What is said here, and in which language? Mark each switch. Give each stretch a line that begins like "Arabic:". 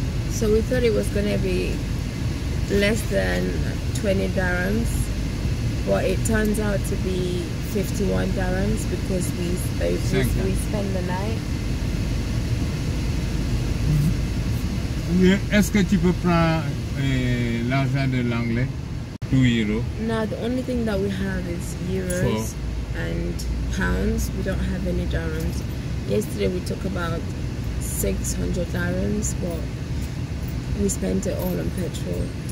English: So we thought it was gonna be less than 20 dirhams, but it turns out to be 51 dirhams because we spend the night.
French: Est-ce que tu peux prendre l'argent de l'anglais?
English: 2 euros. No, the only thing that we have is euros. Four. And pounds. We don't have any dirhams. Yesterday we took about 600 dirhams, but we spent it all on petrol.